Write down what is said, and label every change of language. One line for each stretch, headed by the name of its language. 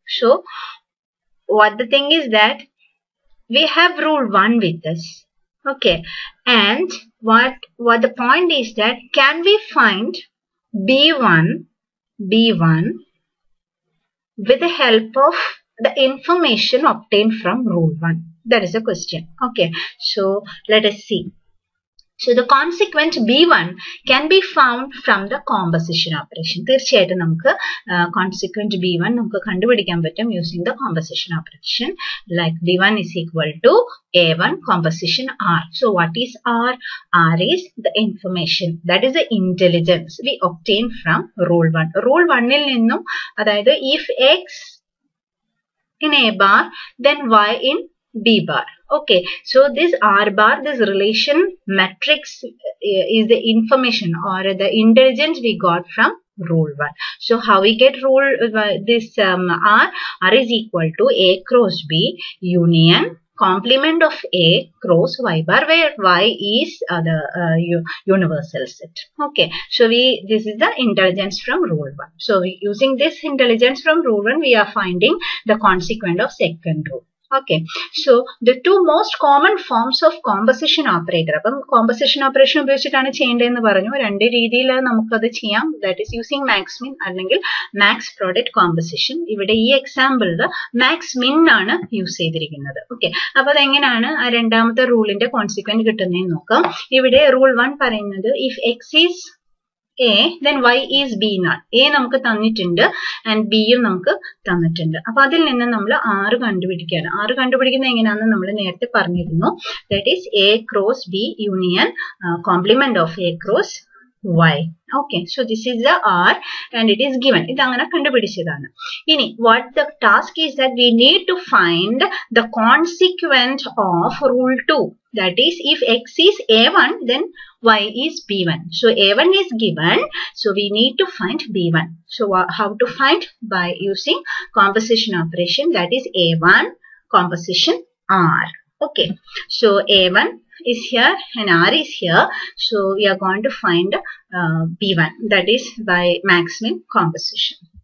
English: So what the thing is that we have rule one with us. Okay, and what the point is that can we find B one with the help of the information obtain from rule one? That is a question. Okay, so let's see. So the consequent B1 can be found from the composition operation.
Malayalam: തീർച്ചയായിട്ടും നമുക്ക് consequent B one നമുക്ക് കണ്ടുപിടിക്കാൻ പറ്റും
English: Using the composition operation. Like B one is equal to A one composition R. So what is R? R is the information, that is the intelligence we obtain from rule one.
Malayalam: Rule വണ്ണിൽ നിന്നും, അതായത്
English: If X in A bar then Y in B bar. Okay, so this R bar, this relation matrix is the information or the intelligence we got from rule 1. So how we get rule this R? R is equal to A cross B union complement of A cross Y bar, where Y is the universal set. Okay, so this is the intelligence from rule 1. So using this intelligence from rule 1, we are finding the consequent of second rule. Okay, so the two most common forms of composition operator.
Malayalam: അപ്പം composition operation ഉപയോഗിച്ചിട്ടാണ് ചെയ്യേണ്ടതെന്ന് പറഞ്ഞു. രണ്ട് രീതിയിൽ നമുക്കത് ചെയ്യാം,
English: that is using max min
Malayalam: അല്ലെങ്കിൽ മാക്സ് പ്രോഡക്റ്റ് കോമ്പസിഷൻ. ഇവിടെ ഈ എക്സാമ്പിളിൽ മാക്സ് മിൻ ആണ് യൂസ് ചെയ്തിരിക്കുന്നത്. ഓക്കെ, അപ്പൊ അതെങ്ങനെയാണ് ആ രണ്ടാമത്തെ റൂളിന്റെ കോൺസിക്വൻസ് കിട്ടുന്നതെന്ന് നോക്കാം. ഇവിടെ റൂൾ 1 പറയുന്നത്
English: If X is A, then Y is B naught.
Malayalam: A നമുക്ക് തന്നിട്ടുണ്ട് ആൻഡ് ബി യും നമുക്ക് തന്നിട്ടുണ്ട്. അപ്പൊ അതിൽ നിന്ന് നമ്മൾ ആറ് കണ്ടുപിടിക്കുകയാണ്. ആറ് കണ്ടുപിടിക്കുന്നത് എങ്ങനെയാണെന്ന് നമ്മൾ നേരത്തെ പറഞ്ഞിരുന്നു,
English: That is A cross B union complement of A cross Y. Okay, so this is the R and it is given.
Malayalam: ഇത് അങ്ങനെ കണ്ടുപിടിച്ചതാണ്.
English: ഇനി what the task is that we need to find the consequence of rule 2. That is, if x is a1, then y is b1. So a1 is given, so we need to find b1. So how to find? By using composition operation, that is a1 composition r. Okay, so a1 is here and r is here, so we are going to find b1, that is by max min composition.